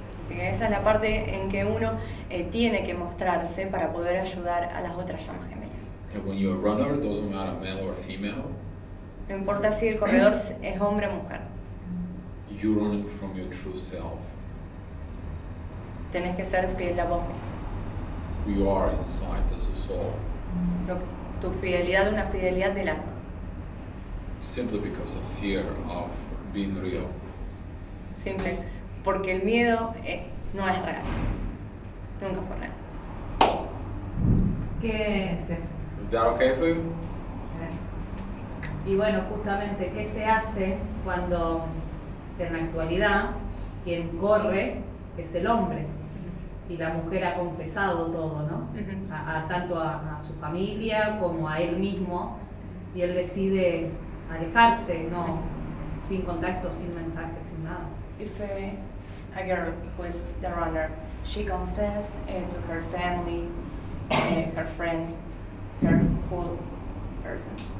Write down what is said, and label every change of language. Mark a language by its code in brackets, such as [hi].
[es] Sí, esa es la parte en que uno tiene que mostrarse para poder ayudar a las otras llamas gemelas. [en] And when you're a runner, doesn't matter male or female. [es] No importa si el corredor es hombre o mujer. [en] You're running from your true self. [es] Tienes que ser fiel a vos mismo. [en] We are inside as a soul. [es] Tu fidelidad es una fidelidad del alma. [en] Simply because of fear of being real. [es] Simple, porque el miedo no es real. Nunca fue real. ¿Qué es eso? [en] Is that okay for you? [es] Gracias. Y bueno, justamente, ¿qué se hace cuando en la actualidad quien corre es el hombre y la mujer ha confesado todo, ¿no? Uh-huh. Tanto a su familia como a él mismo, y él decide alejarse, ¿no? Sin contacto, sin mensaje, sin nada. [en] If a girl who is the runner, she confesses to her family, her friends, her whole person.